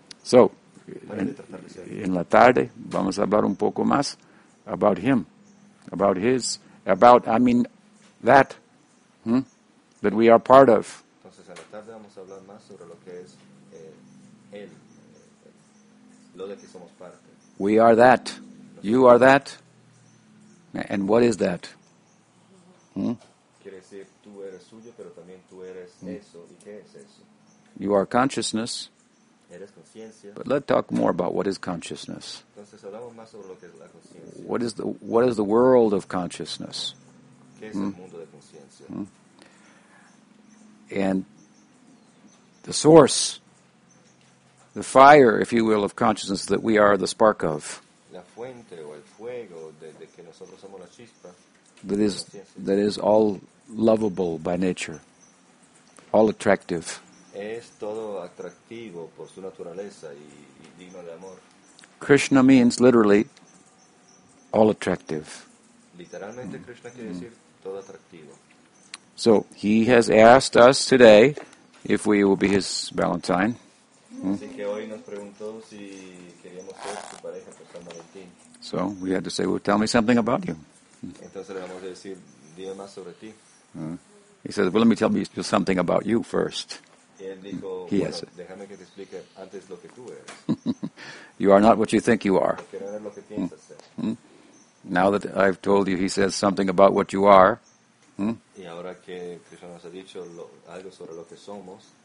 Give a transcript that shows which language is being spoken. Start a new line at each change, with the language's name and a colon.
English: So,
Spanish: en la tarde vamos a hablar un poco más
English: about him, about his, about, I mean, that, that we are part of.
Spanish: Entonces en la tarde vamos a hablar más sobre lo que es él, lo de que somos parte.
English: We are that, you are that, and what is that?
Spanish: Quiere decir, tú eres suyo, pero también tú eres eso, ¿y qué es eso?
English: You are consciousness. But let's talk more about what is consciousness.
Spanish: Entonces, hablamos más sobre lo que es la consciencia.
English: What is the world of consciousness?
Spanish: ¿Qué es el mundo de consciencia?
English: And the source, the fire, if you will, of consciousness that we are the spark of.
Spanish: La fuente o el fuego de que nosotros somos la chispa.
English: That is all lovable by nature, all attractive.
Spanish: Es todo atractivo por su naturaleza y digno de amor.
English: Krishna means literally all attractive.
Spanish: Literalmente Krishna quiere decir todo atractivo.
English: So he has asked us today if we will be his Valentine.
Spanish: Así que hoy nos preguntó si queríamos ser su pareja por San Valentín.
English: So we had to say, well, tell me something about you.
Spanish: Entonces le vamos a decir, dime más sobre ti.
English: He says, well, let me tell you something about you first.
Spanish: Y él dijo, bueno, déjame que te explique antes lo que tú eres.
English: You are not what you think you are.
Spanish: Porque no eres lo que piensas ser.
English: Now that I've told you, he says something about what you are.
Spanish: Y ahora que Krishna nos ha dicho algo sobre lo que somos.